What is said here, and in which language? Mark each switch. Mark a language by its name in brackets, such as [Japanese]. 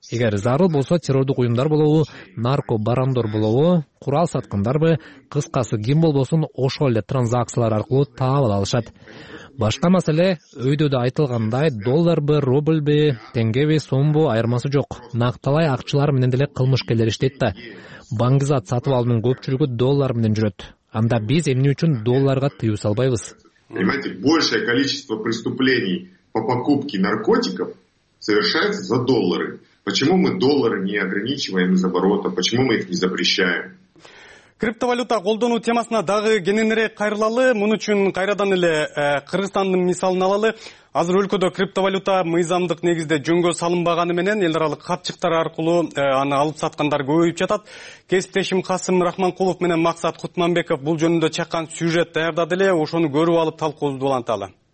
[Kyrgyz] Эгер зарыл болсо террордук уюмдар болобу, нарко барандор болобу, курал саткындарбы, кыскасы ким болбосун ошол эле транзакциялар аркылуу таап алышат. Башка маселе өйдө да айтылгандай долларбы, рубльбы, теңгеби, сомбу айырмасы жок. Накталай акчылар менен деле кылмышкерлер иштейт да. Баңгизат сатып алуунун көпчүлүгү доллар менен жүрөт. Анда биз эмне үчүн долларга тыюу салбайбыз? [Russian] Понимаете, большее количество преступлений по покупке наркотиков совершается за доллары. Почему мы доллары не ограничиваем из оборота? Почему мы их не запрещаем? [Kyrgyz] Криптовалюта колдонуу темасына дагы кененирээк кайрылалы. Муну үчүн кайрадан эле Кыргызстандын мисалын алалы. Азыр өлкөдө криптовалюта мыйзамдык негизде жөнгө салынбаганы менен эл аралык капчыктар аркылуу аны алып саткандар көбөйүп жатат. Кесиптешим Касым Рахманкулов менен Максат Кутманбеков бул жөнүндө чакан сюжет даярдады эле, ошону көрүп алып талкуубузду уланталы.